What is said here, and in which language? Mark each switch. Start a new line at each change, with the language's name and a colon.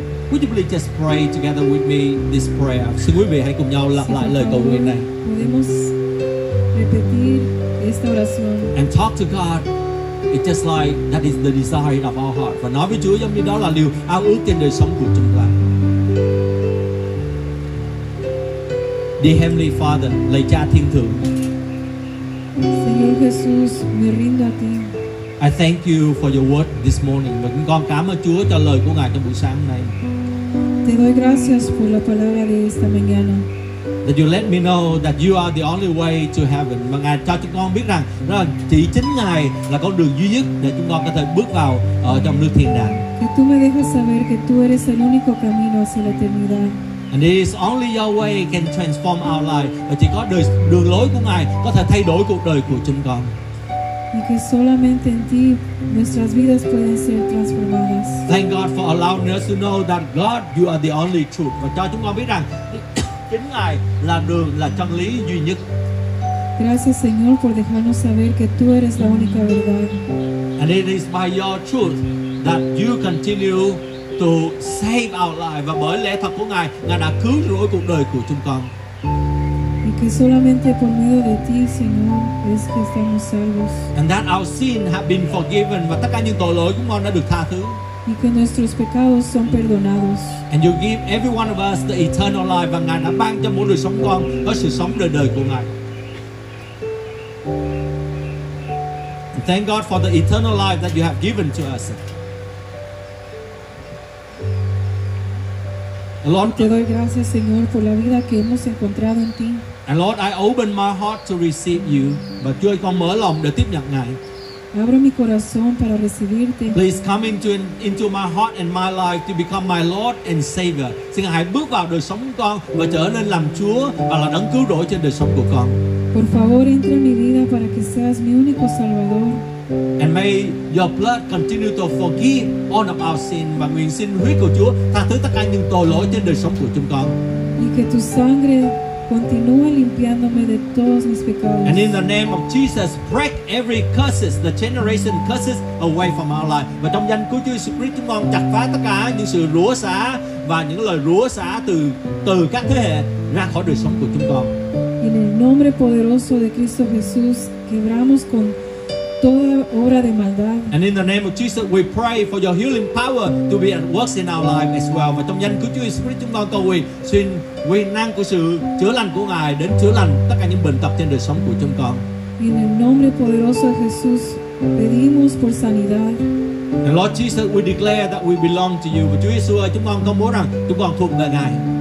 English: Would you please just pray together with me this prayer?
Vietnamese: Xin quý vị hãy cùng nhau lặp lại lời cầu nguyện này.
Spanish: Podemos repetir esta oración.
English: And talk to God. It's just like that is the desire of our heart.
Vietnamese: Và nói với Chúa giống như đó là điều ao ước trên đời sống của chúng ta.
English: Dear Heavenly Father,
Vietnamese: lạy Cha Thiên Thượng.
Spanish: Señor Jesús, me rindo a ti.
English: I thank you for your word this morning.
Vietnamese: Và con cảm ơn Chúa cho lời của Ngài trong buổi sáng hôm nay.
Spanish: Te doy gracias por la palabra de esta mañana.
English: That you let me know that you are the only way to heaven.
Vietnamese: Và Ngài cho chúng con biết rằng đó chỉ chính Ngài là con đường duy nhất để chúng con có thể bước vào ở trong nước thiên đàng.
Spanish: Que tú me dejas saber que tú eres el único camino hacia la eternidad.
English: And it is only your way can transform our life.
Vietnamese: Và chỉ có đường lối của Ngài có thể thay đổi cuộc đời của chúng con.
Spanish: Y que solamente en ti nuestras vidas pueden ser transformadas.
English: Thank God for allowing us to know that God, you are the only truth.
Vietnamese: Và cho chúng con biết rằng chính Ngài là đường, là chân lý duy nhất.
Spanish: Gracias, Señor, por dejarnos saber que tú eres la única verdad.
English: And it is by your truth that you continue to save our life.
Vietnamese: Và bởi lẽ thật của Ngài, Ngài đã cứu rỗi cuộc đời của chúng con.
Spanish: Y que solamente por medio de ti, Señor, es que estamos salvos.
English: And that our sin have been forgiven.
Vietnamese: Và tất cả những tội lỗi của chúng con đã được tha thứ.
Spanish: Y que nuestros pecados son perdonados.
English: And you give every one of us the eternal life.
Vietnamese: Và Ngài đã ban cho mỗi đời sống con có sự sống đời đời của Ngài.
English: And thank God for the eternal life that you have given to us.
Spanish: Lord, te doy gracias, Señor, por la vida que hemos encontrado en ti.
English: And Lord, I open my heart to receive you.
Vietnamese: Và Chúa ơi, con mở lòng để tiếp nhận Ngài.
Spanish: Abro mi corazón para recibirte.
English: Please come into my heart and my life to become my Lord and Savior.
Vietnamese: Xin Ngài hãy bước vào đời sống con và trở nên làm Chúa và là đấng cứu rỗi trên đời sống của con.
Spanish: Por favor, entra en mi vida para que seas mi único Salvador.
English: And may your blood continue to forgive all of our sin.
Vietnamese: Và nguyện xin huyết của Chúa tha thứ tất cả những tội lỗi trên đời sống của chúng con.
Spanish: Y que tu sangre continúe limpiándome de todos mis pecados.
English: And in the name of Jesus, break every curses, the generation curses away from our life.
Vietnamese: Và trong danh của Chúa Jesus Christ, chúng con chặt phá tất cả những sự rủa xả và những lời rủa xả từ các thế hệ ra khỏi đời sống của chúng con.
Spanish: En el nombre poderoso de Cristo Jesús, quebramos con toda obra de maldad.
English: And in the name of Jesus, we pray for your healing power to be at work in our life as well.
Vietnamese: Và trong danh của Chúa Jesus Christ, chúng con cầu nguyện xin quyền năng của sự chữa lành của Ngài đến chữa lành tất cả những bệnh tật trên đời sống của chúng con.
English: In the name
Spanish: poderoso de Jesús, pedimos por sanidad.
English: And Lord Jesus, we declare that we belong to you.
Vietnamese: Và Chúa Jesus ơi, chúng con công bố rằng chúng con thuộc về Ngài.